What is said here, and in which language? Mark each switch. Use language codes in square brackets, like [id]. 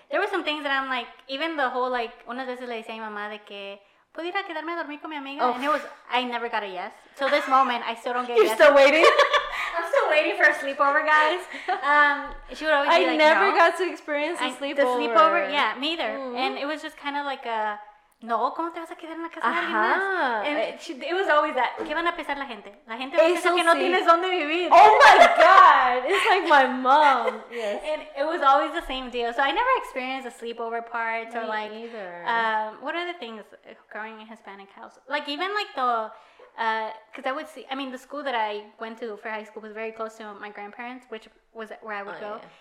[en] There were some things that I'm like, even the whole, like, [es] unas veces le decía a mi mamá de que, ¿pudiera quedarme a dormir con mi amiga? [en] Oh. And I never got a yes. Till this moment, I still don't get a yes. You're still waiting? I'm still waiting for a sleepover, guys. She would always be like, I never got to experience a sleepover. The sleepover, yeah, me either. Mm. And it was just kind of like a, no, [es] ¿cómo te vas a quedar en la casa de alguien más? [en] And it was always that. [es] ¿Qué van a pensar la gente? La gente va a pensar que no tienes dónde vivir. [en] Oh my God. It's like my mom. Yes. And it was always the same deal. So I never experienced the sleepover parts. Me or, like, either. What are the things growing in a Hispanic house? Like, even, like, the, because I would see, I mean, the school that I went to for high school was very close to my grandparents, which was where I would go. Yeah.